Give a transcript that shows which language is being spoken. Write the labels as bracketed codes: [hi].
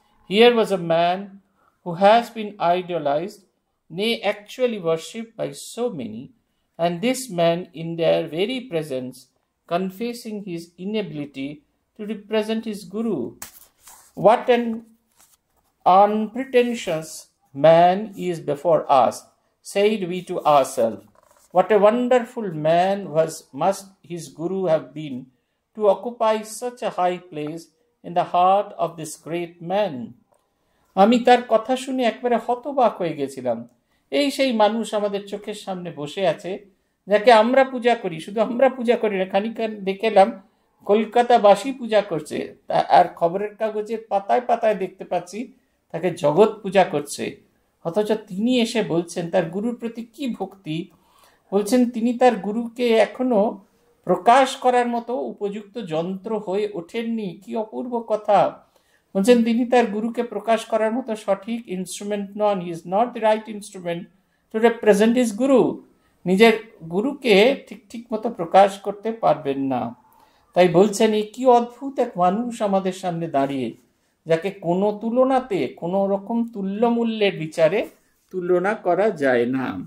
[en] Here was a man who has been idealized নে actually worship by so many, and this man in their very presence confessing his inability to represent his guru, what an unpretentious man is before us, said we to ourselves. What a wonderful man was must his guru have been to occupy such a high place in the heart of this great man. [bn] Ami tar kotha shune ekbare hotobak hoye gechilam, ei sei manush amader chokher samne boshe ache jake amra puja kori, shudhu amra puja kori na, khanikar dekhelam kolkata bashi puja korche, ar khobrer kagojer patay patay dekhte pacchi take jagat puja korche, অথচ তিনি এসে বলছেন তার গুরুর প্রতি কি ভক্তি, বলছেন তিনি তার গুরুকে এখনো প্রকাশ করার মতো উপযুক্ত যন্ত্র হয়ে ওঠেননি। কি অপূর্ব কথা, বলছেন তিনি তার গুরুকে প্রকাশ করার মতো সঠিক instrument non, [en] he is not the right instrument to represent his guru, [bn] নিজের গুরুকে ঠিক মতো প্রকাশ করতে পারবেন না। তাই বলছেন এই কি অদ্ভুত এক মানুষ আমাদের সামনে দাঁড়িয়ে, যাকে কোনো তুলনাতে কোনো রকম তুল্যমূল্যের বিচারে তুলনা করা যায় না।